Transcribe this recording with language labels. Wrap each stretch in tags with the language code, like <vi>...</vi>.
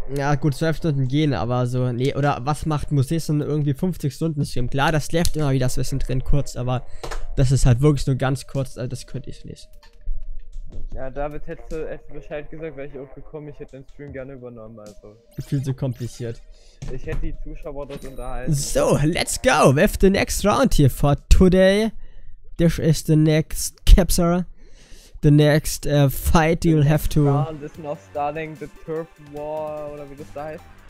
<de>Ja, gut, 12 Stunden gehen, aber so, nee, oder was macht Musis und irgendwie 50 Stunden Stream? Klar, das läuft immer wieder, das Wissen drin kurz, aber das ist halt wirklich nur ganz kurz, also das könnte ich nicht. Ja, David, hättest du Bescheid gesagt, wäre ich auch gekommen, ich hätte den Stream gerne übernommen, also. Viel zu kompliziert. Ich hätte die Zuschauer dort unterhalten.</de> <en>So, let's go, we have the next round here for today. This is the next capture. The next fight you'll have to. This is now starting the turf war</en> <de>oder wie das da heißt.</de>